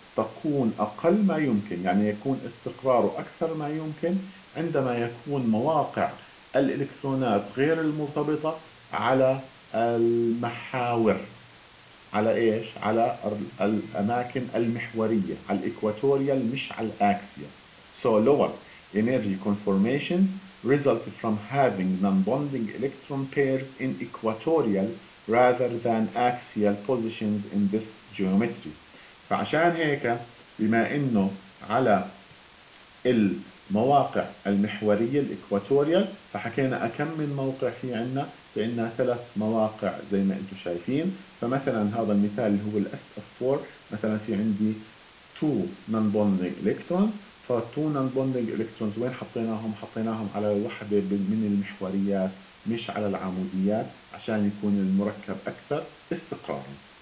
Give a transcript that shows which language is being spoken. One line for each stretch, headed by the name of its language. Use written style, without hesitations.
Arabic: تكون أقل ما يمكن، يعني يكون استقراره أكثر ما يمكن عندما يكون مواقع الإلكترونات غير المرتبطة على المحاور، على إيش؟ على الأماكن المحورية، على الإكواتوريال مش على الأكسيا.
English: So lower energy conformation result from having non-bonding electron pairs in equatorial rather than axial positions in this geometry.
Arabic: فعشان هيك بما انه على المواقع المحورية الاكواتوريال فحكينا كم من موقع في عنا، في عنا ثلاث مواقع زي ما انتم شايفين. فمثلا هذا المثال اللي هو SF4، مثلا في عندي 2 non-bonding electrons، فالتو نون بوندنج الكترونز وين حطيناهم؟ حطيناهم على وحده من المحوريات مش على العموديات عشان يكون المركب اكثر استقرارا.